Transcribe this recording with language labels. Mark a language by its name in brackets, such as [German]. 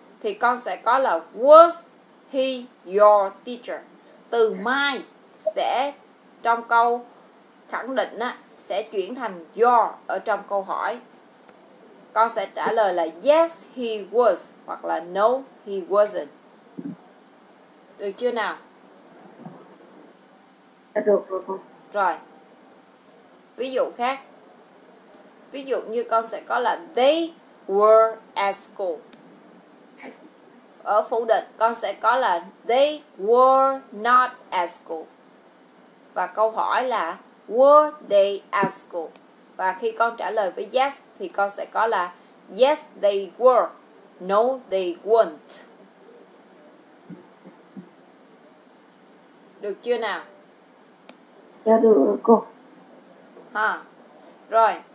[Vietnamese] Thì con sẽ có là [English] was he your teacher. [Vietnamese] Từ my sẽ trong câu khẳng định á, sẽ chuyển thành your ở trong câu hỏi. Con sẽ trả lời là [English] yes he was [Vietnamese] hoặc là [English] no he wasn't. [Vietnamese] Được chưa nào? Được rồi. Ví dụ khác. Ví dụ như con sẽ có là [English] they were at school. [Vietnamese] Ở phủ định con sẽ có là [English] they were not at school. [Vietnamese] Và câu hỏi là [English] were they at school? [Vietnamese] Và khi con trả lời với yes thì con sẽ có là [English] yes they were, no they weren't. [Vietnamese] Được chưa nào? Dạ được cô. Ha. Rồi.